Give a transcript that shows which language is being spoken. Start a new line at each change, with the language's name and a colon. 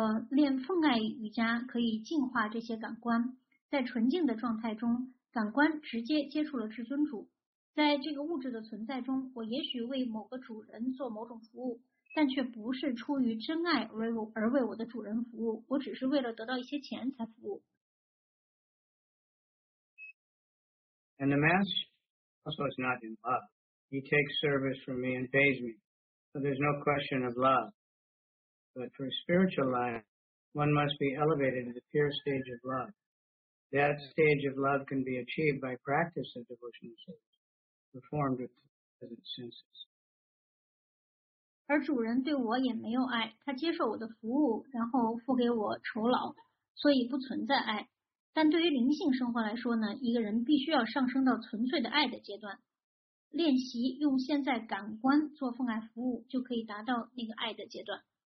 Chinese: 练奉爱瑜伽可以净化这些感官，在纯净的状态中，感官直接接触了至尊主。在这个物质的存在中，我也许为某个主人做某种服务，但却不是出于真爱而为我的主人服务，我只是为了得到一些钱才服务。
English: And the master also is not in love. He takes service from me and pays me, so there's no question of love. But for spiritual life, one must be elevated to the pure stage of love. That stage of love can be achieved by practice of devotional service, performed with the present senses.
Chinese: 而主人对我也没有爱，他接受我的服务，然后付给我酬劳，所以不存在爱。但对于灵性生活来说呢，一个人必须要上升到纯粹的爱的阶段，练习用现在感官做奉爱服务，就可以达到那个爱的阶段。